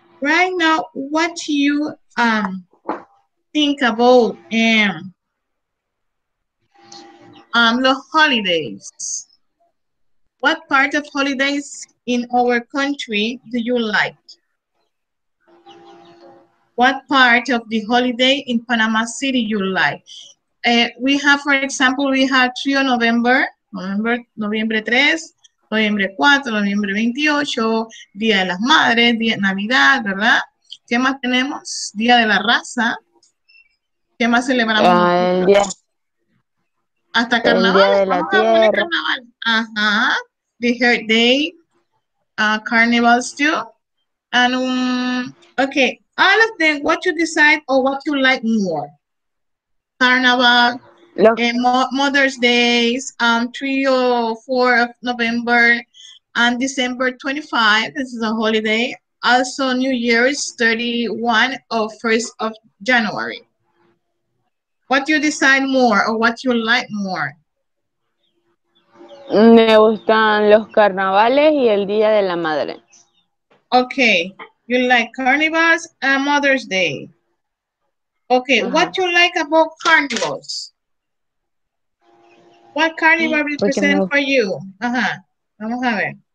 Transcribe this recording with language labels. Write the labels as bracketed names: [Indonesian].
[English] Right now, what do you think about the holidays? What part of holidays in our country do you like? What part of the holiday in Panama City you like? We have, for example, we have 3 of November, November, November 3, [Spanish] Noviembre 4, noviembre 28, Día de las Madres, Día de Navidad, ¿verdad? ¿Qué más tenemos? Día de la Raza. ¿Qué más celebramos? El día. Hasta Carnaval. El Día de la Tierra. [English] Carnaval. Ajá. The Heart Day. Carnival too. And, okay. All of them, what you decide or what you like more? Carnaval. Mother's Day, 3 or 4 of November and December 25, this is a holiday. Also, New Year's 31 or 1st of January. What do you decide more or what you like more? [Spanish] Me gustan los carnavales y el Día de la Madre. [English] Okay, you like carnivals and Mother's Day. Okay, uh-huh. What you like about carnivals? What carnival represent for you? Ajá. [Spanish] Vamos a ver.